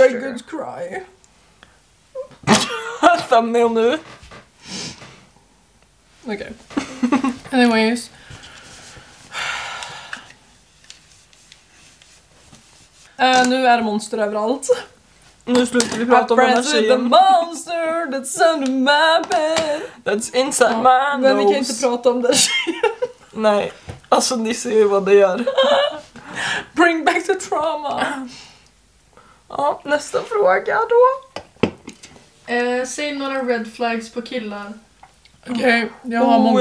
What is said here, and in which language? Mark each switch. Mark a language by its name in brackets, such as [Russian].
[English] Me after a good cry. [Swedish] Thumbnail nu. Okej. Okay. Anyways. Nu är det monster överallt. Nu slutar vi prata om energi. [English] The monster that's under my bed. That's inside my nose. [Swedish] Men vi kan inte prata om det. Nej, alltså ni ser ju vad det gör. [English] Bring back the trauma. [Swedish] Ja, nästa fråga då. Säg några red flags på killar. Okej, jag har många.